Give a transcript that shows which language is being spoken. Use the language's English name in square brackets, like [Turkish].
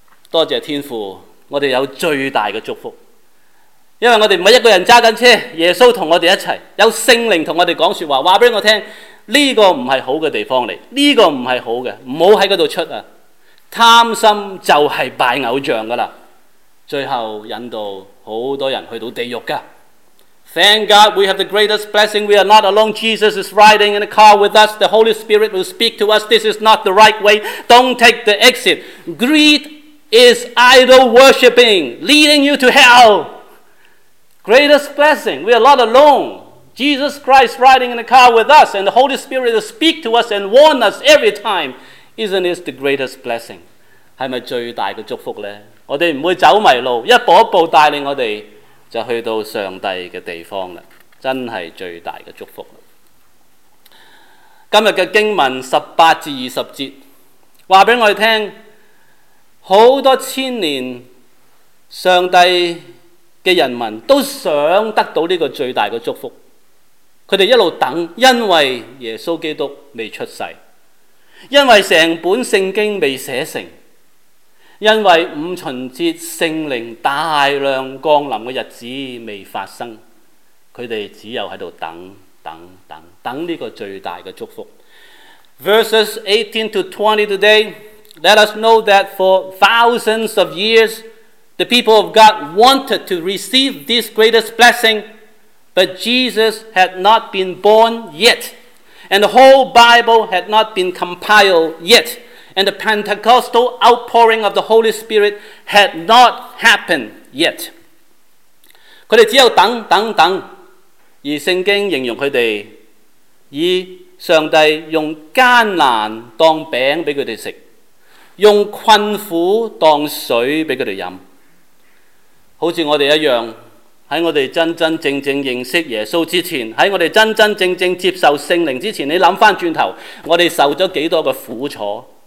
[Chinese] 多谢天父，我们有最大的祝福，因为我们每一个人揸紧车，耶稣同我们一起，有圣灵同我们讲说话，告诉我听，这个不是好的地方，这个不是好的，不要在那里出，贪心就是拜偶像的了，最后引导很多人去到地狱的。 [English] Thank God we have the greatest blessing. We are not alone. Jesus is riding in a car with us. The Holy Spirit will speak to us. This is not the right way. Don't take the exit. Greed is idol worshipping, leading you to hell. Greatest blessing. We are not alone. Jesus Christ riding in a car with us, and the Holy Spirit will speak to us and warn us every time. Isn't this the greatest blessing? [Chinese] 是不是最大的祝福呢？我们不会走迷路，一步一步带领我们就去到上帝的地方了，真是最大的祝福了。今天的经文18-20节告诉我们，很多千年上帝的人民都想得到这个最大的祝福，他们一直等，因为耶稣基督未出世，因为整本圣经未写成，因为五旬节圣灵大量降临的日子未发生，他们只有在等等等等这个最大的祝福。 [English] Verses 18 to 20 today, let us know that for thousands of years, the people of God wanted to receive this greatest blessing, but Jesus had not been born yet, and the whole Bible had not been compiled yet. And the Pentecostal outpouring of the Holy Spirit had not happened yet. [Chinese] 他们只有等等等，而圣经形容他们以上帝用艰难当饼给他们吃，用困苦当水给他们喝。好像我们一样，在我们真真正正认识耶稣之前，在我们真真正正接受圣灵之前，你想回头，我们受了多少苦楚。